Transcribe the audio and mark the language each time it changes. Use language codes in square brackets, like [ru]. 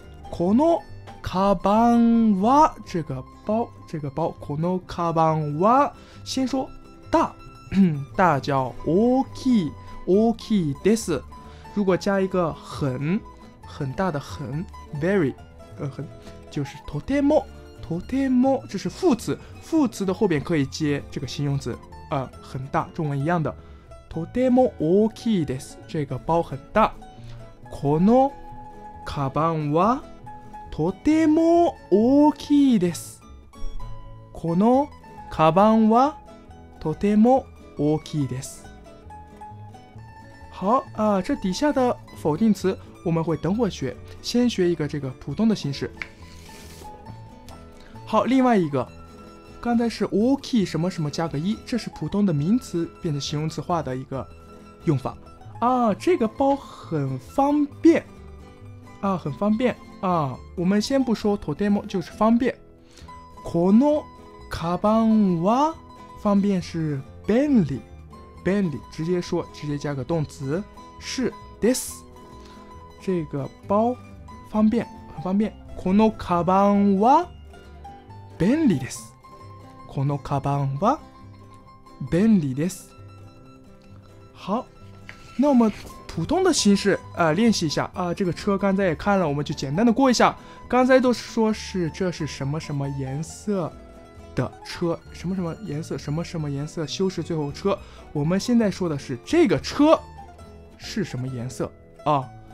[ja] このカバンは， [zh] 这个包，这个包，このカバンは，先说大，大叫大きい，大きいです。如果加一个很，很大的很 ，very， 很，就是とても，とても，这是副词，副词的后边可以接这个形容词，很大，中文一样的， [ja] とても大きいです。 [zh] 这个包很大， [ja] このカバンはとても大きいです。このカバンはとても大きいです。 [zh] 好啊，这底下的否定词我们会等会学，先学一个这个普通的形式。好，另外一个，刚才是大きい什么什么加个一，这是普通的名词变成形容词化的一个用法啊。这个包很方便啊，很方便。啊，我们先不说とても，就是方便。このカバンは，方便是便利，便利直接说，直接加个动词是です。这个包方便，很方便。 [ja] このカバンは便利です。このカバンは便利です。 [zh] 好，那我们普通的形式练习一下啊。这个车刚才也看了，我们就简单的过一下。刚才都是说是这是什么什么颜色的车，什么什么颜色，什么什么颜色修饰最后车。我们现在说的是这个车是什么颜色啊？